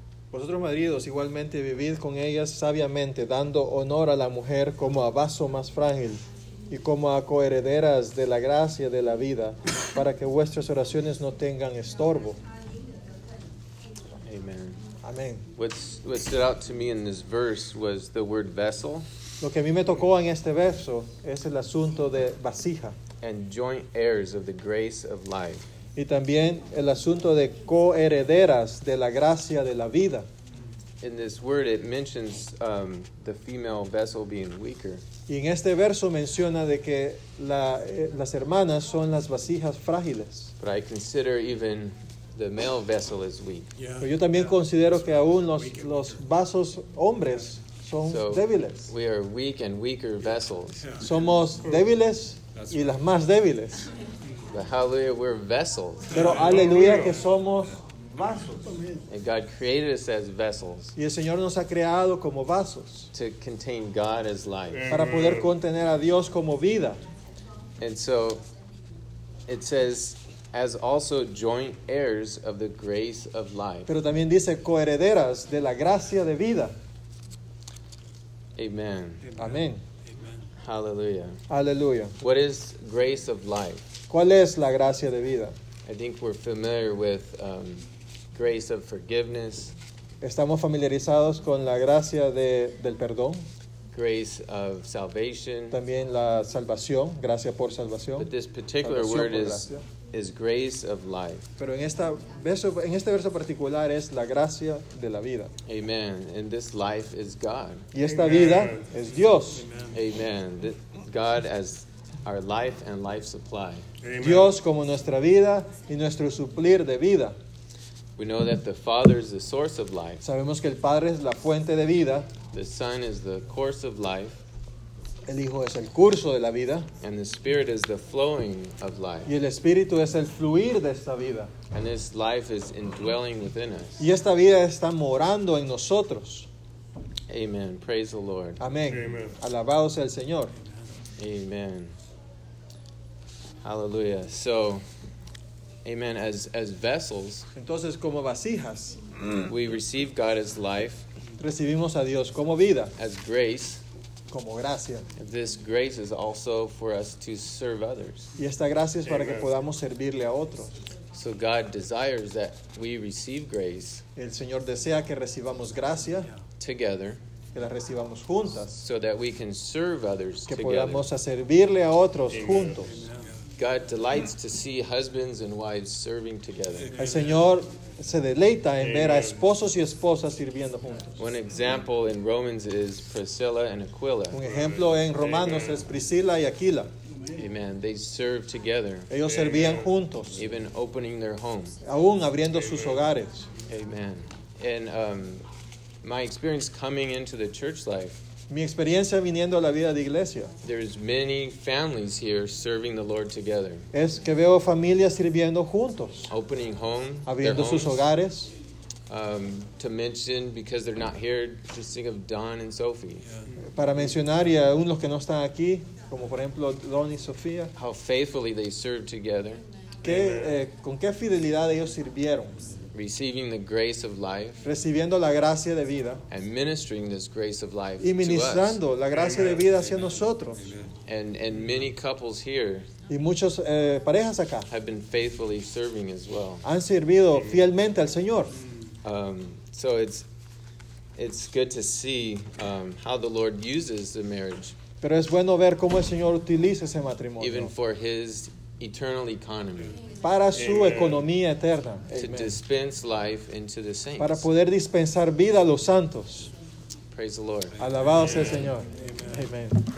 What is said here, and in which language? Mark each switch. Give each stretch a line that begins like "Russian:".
Spanish: Vosotros, maridos, igualmente vivid con ellas sabiamente, dando honor a la mujer como a vaso más frágil, y como a coherederas de la gracia de la vida, para que vuestras oraciones no tengan estorbo.
English: Amen. Amen. What stood out to me in this verse was the word vessel.
Spanish: Lo que a mí me tocó en este verso es el asunto de vasija.
English: And joint heirs of the grace of life.
Spanish: Y también el asunto de coherederas de la gracia de la vida.
English: In this word it mentions the female vessel being weaker.
Spanish: Y en este verso menciona de que las hermanas son las vasijas frágiles.
English: But I consider even the male vessel is weak. Yeah.
Spanish: Pero yo también considero que aún los vasos hombres son débiles.
English: We are weak and weaker vessels.
Spanish: Yeah. Somos débiles y las más débiles.
English: But hallelujah, we're vessels.
Spanish: Pero aleluya que somos vasos.
English: And God created us as vessels.
Spanish: Y el Señor nos ha creado como vasos.
English: To contain God as life.
Spanish: Para poder contener a Dios como vida.
English: And so it says, as also joint heirs of the grace of life.
Spanish: Pero también dice coherederas de la gracia de vida.
English: Amen. Amen. Hallelujah. Hallelujah. What is grace of life?
Spanish: ¿Cuál es la gracia de vida?
English: I think we're familiar with grace of forgiveness.
Spanish: Estamos familiarizados con la gracia del perdón.
English: Grace of salvation.
Spanish: También la salvación, gracia por salvación.
English: But this particular word is grace of life.
Spanish: Pero en este verso particular es la gracia de la vida.
English: Amen. And this life is God.
Spanish: Y esta vida es Dios.
English: Amen. God as our life and life supply.
Spanish: Dios como nuestra vida y nuestro suplir de vida.
English: We know that the Father is the source of life.
Spanish: Sabemos que el Padre es la fuente de vida.
English: The Son is the course of life.
Spanish: El Hijo es el curso de la vida.
English: And the Spirit is the flowing of life.
Spanish: Y el Espíritu es el fluir de esta vida.
English: And this life is indwelling within us.
Spanish: Y esta vida está morando en nosotros.
English: Amen. Praise the Lord.
Spanish: Amén.
English: Amen.
Spanish: Alabado sea el Señor.
English: Amen. Hallelujah. So, amen. As vessels,
Spanish: entonces como vasijas,
English: we receive God as life.
Spanish: Recibimos a Dios como vida.
English: As grace,
Spanish: como gracia.
English: This grace is also for us to serve others.
Spanish: Y esta gracia es para que podamos servirle a otros.
English: So God desires that we receive grace.
Spanish: El Señor desea que recibamos gracia.
English: Together.
Spanish: Que la recibamos juntas.
English: So that we can serve others.
Spanish: Que podamos a servirle a otros juntos.
English: God delights to see husbands and wives serving together.
Spanish: El Señor se deleita en ver a esposos y esposas sirviendo juntos.
English: One example in Romans is Priscilla and Aquila.
Spanish: Un ejemplo en Romanos es Priscila y Aquila.
English: Amen. They served together.
Spanish: Ellos servían juntos.
English: Even opening their homes.
Spanish: Aún abriendo sus hogares.
English: Amen. And my experience coming into the church life.
Spanish: Mi experiencia viniendo a la vida de iglesia.
English: There's many families here serving the Lord together.
Spanish: Es que veo familias sirviendo juntos.
English: Opening home,
Spanish: abriendo sus hogares.
English: To mention, because they're not here, just think of Don and Sophie. Yeah.
Spanish: Para mencionar y aún los que no están aquí, como por ejemplo Don y Sofía.
English: How faithfully they served together.
Spanish: Con qué fidelidad ellos sirvieron.
English: Receiving the grace of life.
Spanish: Recibiendo la gracia de vida.
English: And ministering this grace of life to us.
Spanish: Y ministrando la gracia de vida hacia nosotros.
English: And many couples here.
Spanish: Y muchas parejas acá.
English: Have been faithfully serving as well.
Spanish: Han servido fielmente al Señor.
English: So it's good to see how the Lord uses the marriage.
Spanish: Pero es bueno ver cómo el Señor utiliza ese matrimonio.
English: Even for His eternal economy.
Spanish: Para su economía eterna.
English: To dispense life into the saints.
Spanish: Para poder dispensar vida a los santos.
English: Praise the Lord.
Spanish: Alabado sea el Señor.
English: Amen.